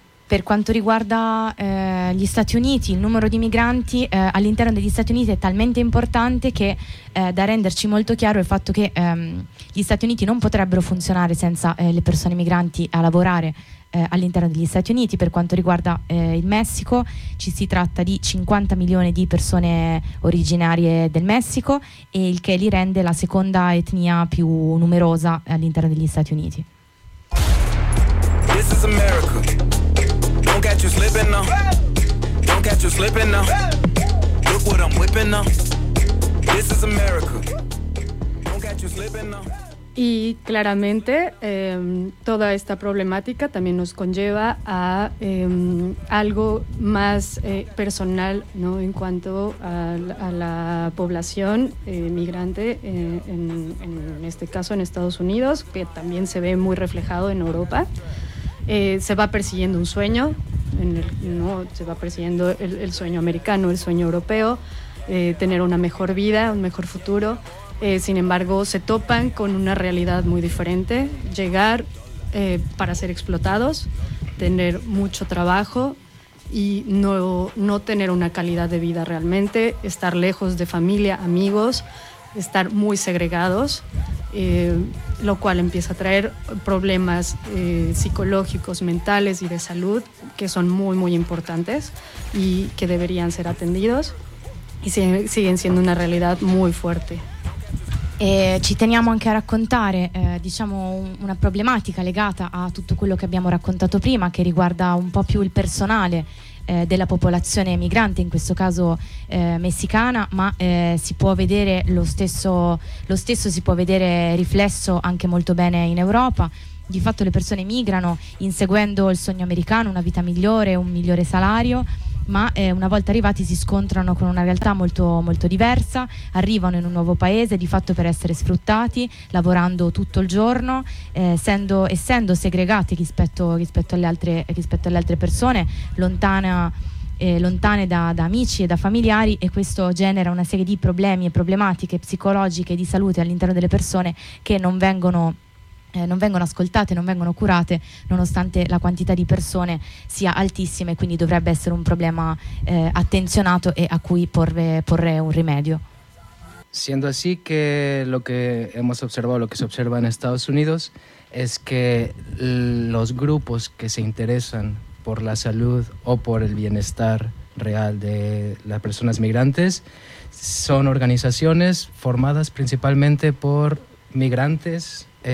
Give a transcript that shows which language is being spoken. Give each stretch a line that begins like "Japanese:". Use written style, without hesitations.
Italian: Per quanto riguarda gli Stati Uniti, il numero di migranti all'interno degli Stati Uniti è talmente importante che da renderci molto chiaro il fatto che gli Stati Uniti non potrebbero funzionare senza le persone migranti a lavorare all'interno degli Stati Uniti. Per quanto riguarda il Messico, ci si tratta di 50 milioni di persone originarie del Messico, e il che li rende la seconda etnia più numerosa all'interno degli Stati Uniti.
English: This is America. Don't catch you slipping now. Don't catch you slipping now. Look what I'm whipping now. This is America. Don't catch you slipping now.
Spanish: Y claramente toda esta problemática también nos conlleva a algo más personal, ¿no? En cuanto a la población migrante, en este caso en Estados Unidos, que también se ve muy reflejado en Europa. Se va persiguiendo un sueño, ¿no? Se va persiguiendo el sueño americano, el sueño europeo, tener una mejor vida, un mejor futuro. Sin embargo, se topan con una realidad muy diferente: llegar para ser explotados, tener mucho trabajo y no tener una calidad de vida realmente, estar lejos de familia, amigos, estar muy segregados, lo cual empieza a traer problemas psicológicos, mentales y de salud, que son muy, muy importantes y que deberían ser atendidos, y siguen siendo una realidad muy fuerte.
Italian: E ci teniamo anche a raccontare diciamo una problematica legata a tutto quello che abbiamo raccontato prima, che riguarda un po' più il personale della popolazione migrante, in questo caso messicana, ma si può vedere lo stesso si può vedere riflesso anche molto bene in Europa. Di fatto le persone migrano inseguendo il sogno americano, una vita migliore, un migliore salario, ma una volta arrivati si scontrano con una realtà molto, molto diversa. Arrivano in un nuovo paese di fatto per essere sfruttati, lavorando tutto il giorno, essendo segregati rispetto alle altre persone, lontane da amici e da familiari, e questo genera una serie di problemi e problematiche psicologiche e di salute all'interno delle persone che non vengono ascoltate, non vengono curate, nonostante la quantità di persone sia altissima, e quindi dovrebbe essere un problema attenzionato e a cui porre un rimedio.
Spanish: Siendo así, que lo que hemos observado, lo que se observa en Estados Unidos es que los grupos que se interesan por la salud o por el bienestar real de las personas migrantes son organizaciones formadas principalmente por migrantes,